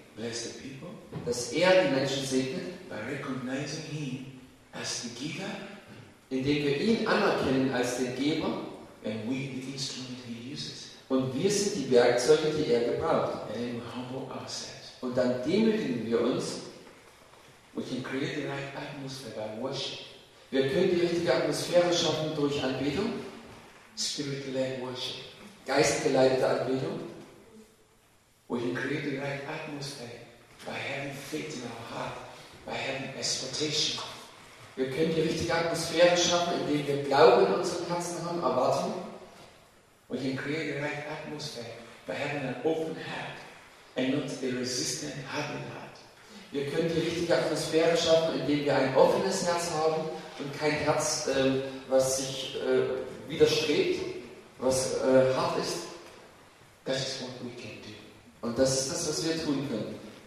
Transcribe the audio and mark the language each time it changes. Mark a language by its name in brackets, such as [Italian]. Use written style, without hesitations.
[English] Bless the people. [German] Dass er die Menschen segnet. [English] By recognizing him as the giver. [German] Indem wir ihn anerkennen als den Geber. [English] And we the instrument he uses. [German] Und wir sind die Werkzeuge, die er gebraucht. [English] And then we humble ourselves. [German] Und dann demütigen wir uns. [English] We can create the right atmosphere by worship. [German] Wir können die richtige Atmosphäre schaffen durch Anbetung. [English] Spirit-led worship. [German] geistgeleitete Anbetung. [English] We can create the right atmosphere by having faith in our heart, by having expectation. [German] Wir können die richtige Atmosphäre schaffen, indem wir Glauben in unseren Herzen haben, Erwartung. [English] We can create the right atmosphere by having an open heart and not a resistant, hardened heart. [German] Wir können die richtige Atmosphäre schaffen, indem wir ein offenes Herz haben und kein Herz, was sich widerstrebt, was hart ist. [English] That is what we can do. [German] Und das ist das, was wir tun können.